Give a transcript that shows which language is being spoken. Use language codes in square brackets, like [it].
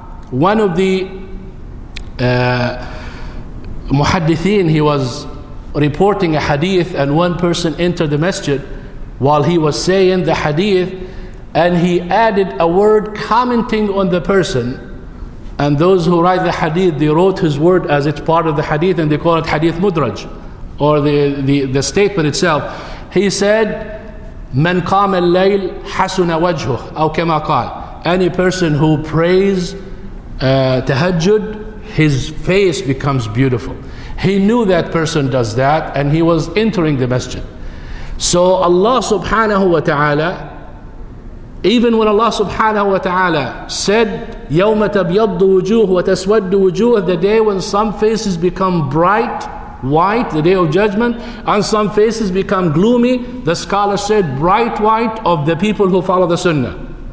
[en] One of the muhaddithin, he was reporting a hadith, and one person entered the masjid while he was saying the hadith, and he added a word commenting on the person. And those who write the hadith, they wrote his word as it's part of the hadith, and they call it hadith mudraj, or the statement itself. [ar] He said, من قام الليل حسن وجهه أو كما قال. [en] Any person who prays tahajjud, his face becomes beautiful. He knew that person does that, and he was entering the masjid. So Allah subhanahu wa ta'ala, even when Allah subhanahu wa ta'ala said, [ar] يَوْمَ تَبْيَضُّ وُجُوهُ وَتَسْوَدُّ وُجُوهُ, [en] the day when some faces become bright, white, the day of judgment, and some faces become gloomy, the scholar said, bright white of the people who follow the sunnah.